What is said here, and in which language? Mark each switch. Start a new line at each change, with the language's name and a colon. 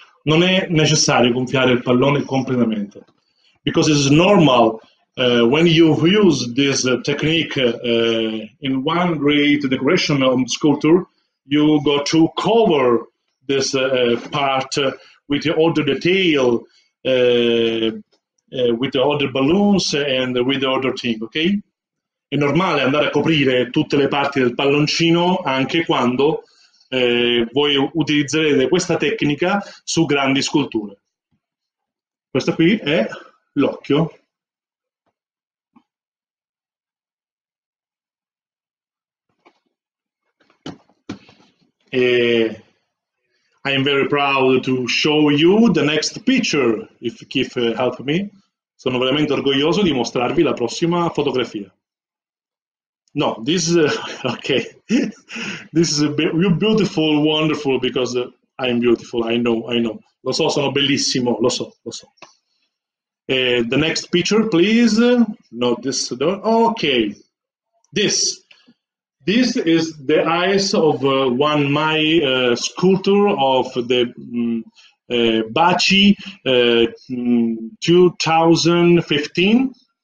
Italian: Non è necessario gonfiare il pallone completamente.
English: Because it's normal when you use this technique in one great decoration or sculpture, you got to cover this part with all the detail, with all the balloons and with all the thing, okay?
Italian: È normale andare a coprire tutte le parti del palloncino anche quando voi utilizzerete questa tecnica su grandi sculture. Questo qui è l'occhio.
English: I am very proud to show you the next picture, if Keith help me.
Italian: Sono veramente orgoglioso di mostrarvi la prossima fotografia.
English: No, this is, okay. This is you're beautiful, wonderful, because I am beautiful, I know.
Italian: Lo so, sono bellissimo, lo so.
English: The next picture, please. No, this door. Okay. This is the eyes of one my sculptor of the Bachi 2015.